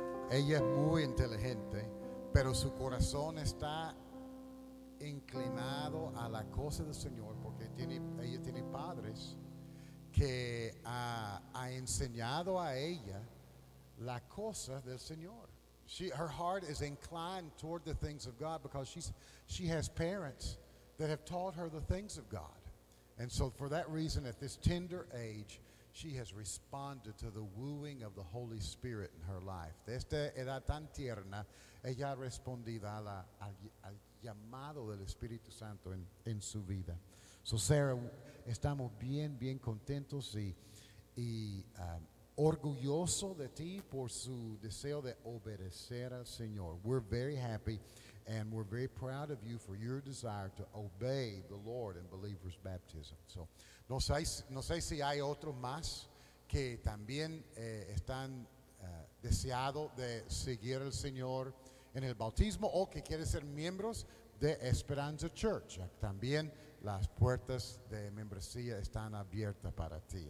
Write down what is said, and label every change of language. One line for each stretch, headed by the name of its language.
Spanish: Ella es muy inteligente, pero su corazón está inclinado a la cosa del Señor, porque ella tiene padres que ha enseñado a ella la cosa del Señor.
English: Her heart is inclined toward the things of God because she has parents that have taught her the things of God. And so for that reason, at this tender age, she has responded to the wooing of the Holy Spirit in her life.
Spanish: De esta edad tan tierna, ella ha respondido al llamado del Espíritu Santo en su vida. So Sarah, estamos bien, bien contentos y orgulloso de ti por su deseo de obedecer al Señor.
English: We're very happy and we're very proud of you for your desire to obey the Lord in believers' baptism.
Spanish: So, no sé si hay otro más que también están deseado de seguir al Señor en el bautismo, o que quiere ser miembros de Esperanza Church. También las puertas de membresía están abiertas para ti.